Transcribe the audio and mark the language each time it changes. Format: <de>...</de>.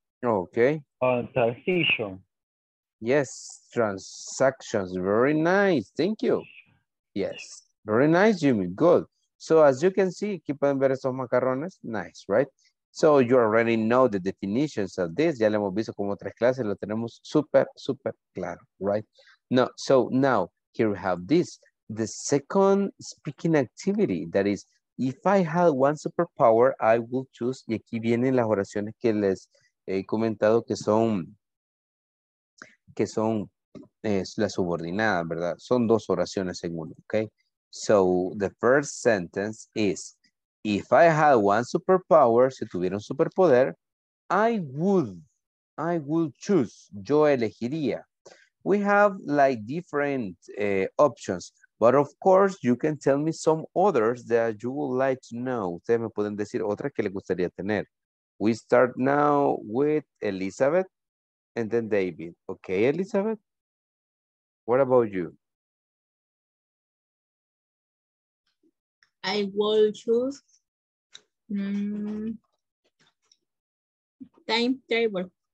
<en>Okay. Transition. Yes, transactions, very nice, thank you. Yes, very nice, Jimmy, good. So as you can see,</en> <es>aquí pueden ver esos macarrones,</es> <en>nice, right? So you already know the definitions of this.</en> <es>Ya lo hemos visto como tres clases, lo tenemos súper, súper claro,</es> <en>right? No, so now here we have this. The second speaking activity, that is If I had one superpower, I would choose,</en> <es>y aquí vienen las oraciones que les he comentado que son las subordinadas, ¿verdad? Son dos oraciones en uno, ¿ok?</es> <en>So, the first sentence is, if I had one superpower,</en> <es>si tuviera un superpoder,</es> <en>I would choose,</en> <es>yo elegiría.</es> <en>We have like different options, but of course you can tell me some others that you would like to know.</en> <es>Ustedes me pueden decir otras que les gustaría tener.</es> <en>We start now with Elizabeth and then David. Okay, Elizabeth, what about you? I will choose time travel.</en>